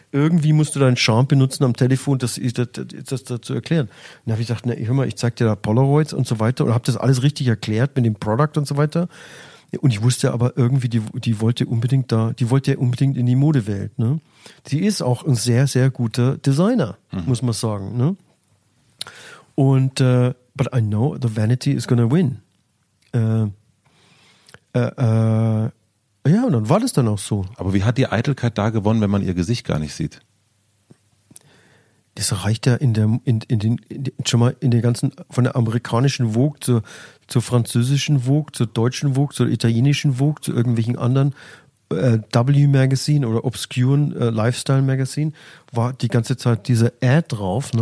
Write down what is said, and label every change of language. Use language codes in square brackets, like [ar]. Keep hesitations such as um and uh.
[de] Irgendwie musst du deinen Charme benutzen am Telefon, das, das, das, das zu erklären. Und dann habe ich gesagt, na, hör mal, ich zeig dir da Polaroids und so weiter und habe das alles richtig erklärt mit dem Product und so weiter. Und ich wusste aber irgendwie, die, die wollte unbedingt da, die wollte ja unbedingt in die Modewelt. Ne? Sie ist auch ein sehr, sehr guter Designer, muss man sagen. Ne? [en] Und äh, but I know the vanity is gonna win. [de] Äh, äh, äh, ja, und dann war das dann auch so. Aber wie hat die Eitelkeit da gewonnen, wenn man ihr Gesicht gar nicht sieht? Das reicht ja in der in, in den in, den- schon mal in den ganzen von der amerikanischen Vogue zur, zur französischen Vogue, zur deutschen Vogue, zur italienischen Vogue, zu irgendwelchen anderen äh, W Magazine oder obscuren äh, Lifestyle Magazine war die ganze Zeit diese Ad drauf, ne?